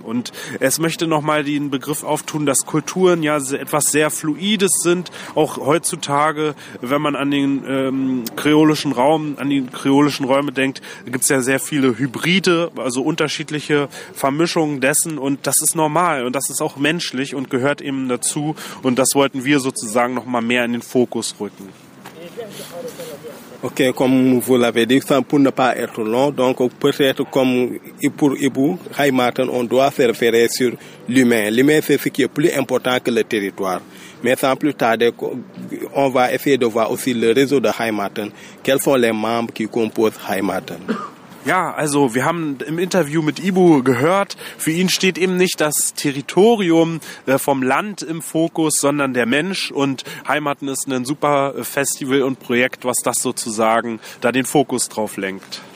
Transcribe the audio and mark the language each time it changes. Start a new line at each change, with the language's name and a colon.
German: Und es möchte nochmal den Begriff auftun, dass Kulturen ja etwas sehr Fluides sind, auch heutzutage, wenn man an den kreolischen Raum, an die kreolischen Räume denkt, gibt es ja sehr viele Hybride, also unterschiedliche Vermischungen dessen, und das ist normal und das ist auch menschlich und gehört eben dazu, und das wollten wir sozusagen nochmal mehr in den Fokus rücken.
French: Ok, comme vous l'avez dit, sans pour ne pas être long, donc peut-être comme pour Ibu, Haïmaten, on doit se référer sur l'humain. L'humain, c'est ce qui est plus important que le territoire. Mais sans plus tarder, on va essayer de voir aussi le réseau de Haïmaten. Quels sont les membres qui composent Haïmaten?
German: Ja, also wir haben im Interview mit Ibu gehört, für ihn steht eben nicht das Territorium vom Land im Fokus, sondern der Mensch, und Heimaten ist ein super Festival und Projekt, was das sozusagen da den Fokus drauf lenkt.